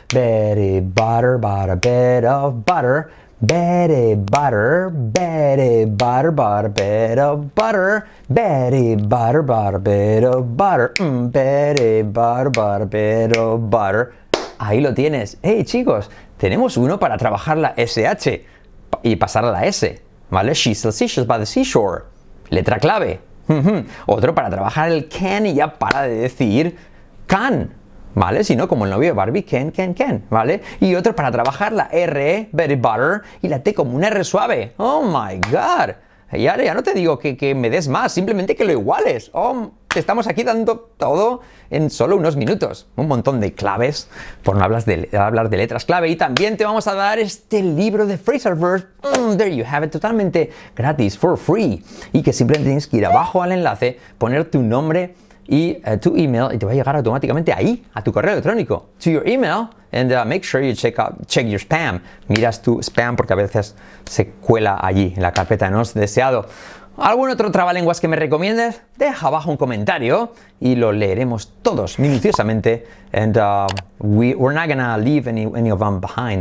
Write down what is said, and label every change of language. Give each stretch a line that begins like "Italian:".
English: Betty butter, but a bit of butter, Betty butter, Betty butter, but a bit of butter, Betty butter, but a bit of butter, Betty butter, but a bit of butter.
Spanish: Ahí lo tienes. Hey chicos, tenemos uno para trabajar la SH y pasar a la S, ¿vale?
English: She sells seashells by the seashore.
Spanish: Letra clave. Otro para trabajar el can y ya para de decir can, ¿vale? Si no, como el novio de Barbie, can, ¿vale? Y otro para trabajar la R, Betty Butter, y la T como una R suave.
English: ¡Oh, my God!
Spanish: Y ahora ya no te digo que me des más, simplemente que lo iguales. ¡Oh, estamos aquí dando todo en solo unos minutos! Un montón de claves, por no hablar de letras clave. Y también te vamos a dar este libro de Phrasal Verbs.
English: There you have it,
Spanish: totalmente gratis,
English: for free.
Spanish: Y que simplemente tienes que ir abajo al enlace, poner tu nombre y tu email, y te va a llegar automáticamente ahí, a tu correo electrónico.
English: To your email, and make sure you check your spam.
Spanish: Miras tu spam porque a veces se cuela allí en la carpeta no es deseado. ¿Algún otro trabalenguas que me recomiendes? Deja abajo un comentario y lo leeremos todos minuciosamente.
English: And we're not gonna leave any of them behind.